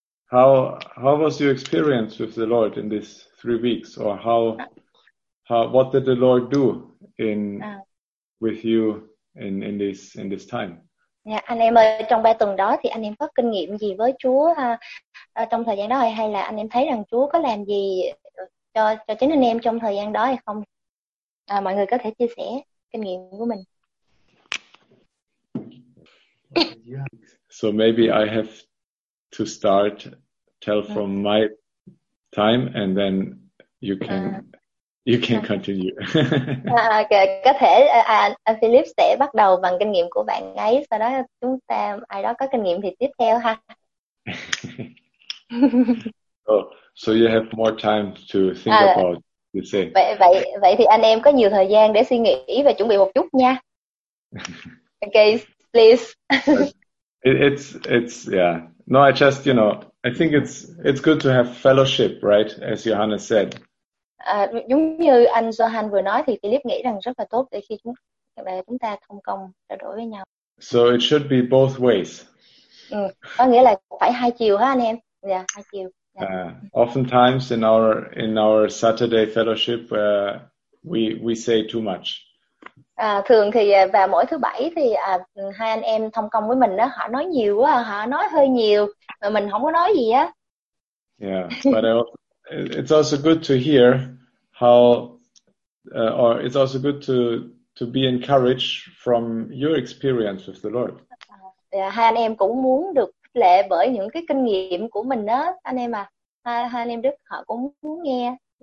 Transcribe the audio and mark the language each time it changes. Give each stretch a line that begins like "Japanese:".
English: How was your experience with the Lord in these 3 weeks, or how what did the Lord do with you in this time?
Vietnamese: Yeah, anh em ơi, trong 3 tuần đó thì anh em có kinh nghiệm gì với Chúa trong thời gian đó, hay là anh em thấy rằng Chúa có làm gì cho chính anh em trong thời gian đó hay không? Mọi người có thể chia sẻ kinh nghiệm của mình.
English: So maybe I have to start. Tell from my time, and then you can continue.
Vietnamese: Okay, có thể Philip sẽ bắt đầu bằng kinh nghiệm của bạn ấy, sau đó chúng ta ai đó có kinh nghiệm thì tiếp theo ha.
English: So you have more time to think about. You say.
Vietnamese: Vậy thì anh em có nhiều thời gian để suy nghĩ và chuẩn bị một chút nha.
English: Okay, please. It's yeah. No, I just, you know, I think it's good to have fellowship, right? As Johannes said.
Vietnamese: Giống như anh Johan vừa nói thì Philip nghĩ rằng rất là tốt để khi chúng ta thông công trao đổi với nhau.
English: So it should be both ways.
Vietnamese: Có nghĩa là phải hai chiều ha anh em. Yeah, hai chiều.
English: Oftentimes in our Saturday fellowship, we say too much.
Vietnamese: Thường thì vào mỗi thứ bảy thì hai anh em thông công với mình đó, họ nói nhiều quá, họ nói hơi nhiều mà mình không có nói gì á.
English: Yeah, but it's also good to hear how or it's also good to be encouraged from your experience with the Lord.
Vietnamese: Hai anh em cũng muốn được khích lệ bởi những cái kinh nghiệm của mình đó anh em à. Hai anh em Đức họ cũng muốn nghe.